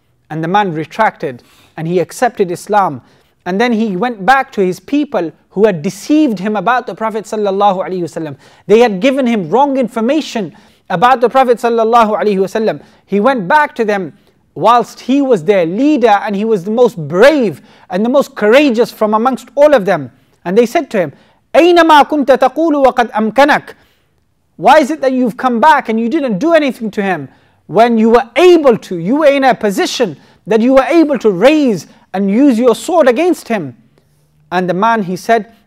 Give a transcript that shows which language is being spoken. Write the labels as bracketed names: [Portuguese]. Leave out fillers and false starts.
[English] And the man retracted and he accepted Islam. And then he went back to his people who had deceived him about the Prophet ﷺ. They had given him wrong information about the Prophet ﷺ. He went back to them whilst he was their leader and he was the most brave and the most courageous from amongst all of them. And they said to him, [Arabic] أَيْنَ مَا كُنْتَ تَقُولُ وَقَدْ أَمْكَنَكَ. [English] Why is it that you've come back and you didn't do anything to him when you were able to? You were in a position that you were able to raise and use your sword against him. And the man, he said,